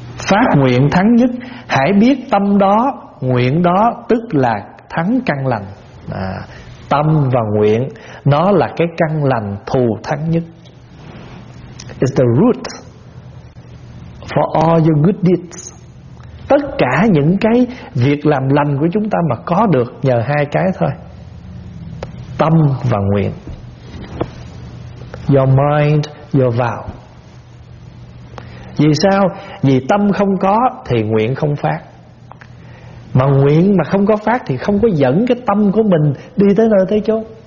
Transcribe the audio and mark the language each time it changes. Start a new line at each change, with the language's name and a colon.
Vietnamese: Phát nguyện thắng nhất, hãy biết tâm đó, nguyện đó tức là thắng căn lành. Tâm và nguyện nó là cái căn lành thù thắng nhất.
English: It's the root for all your good deeds.
Vietnamese: Tất cả những cái việc làm lành của chúng ta mà có được nhờ hai cái thôi: tâm và nguyện.
English: Your mind, your vow.
Vietnamese: Vì sao? Vì tâm không có thì nguyện không phát. Mà nguyện mà không có phát thì không có dẫn cái tâm của mình đi tới nơi tới chốn.